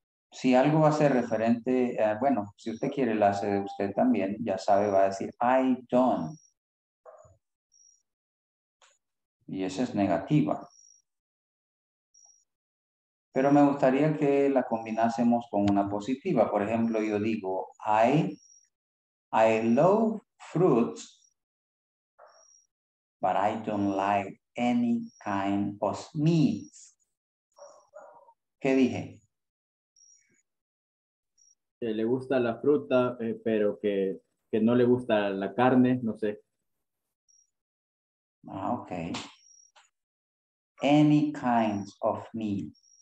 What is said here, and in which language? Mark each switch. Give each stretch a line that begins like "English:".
Spanish: Si algo va a ser referente, bueno, si usted quiere el hace de usted también, ya sabe, va a decir,
English: I don't.
Spanish: Y esa es negativa. Pero me gustaría que la combinásemos con una positiva. Por ejemplo, yo digo,
English: I love fruits, but I don't like any kind of meat.
Spanish: ¿Qué dije? Que le gusta la fruta, pero que no le gusta la carne, no sé.
English: Ah, okay. Any kinds of meat.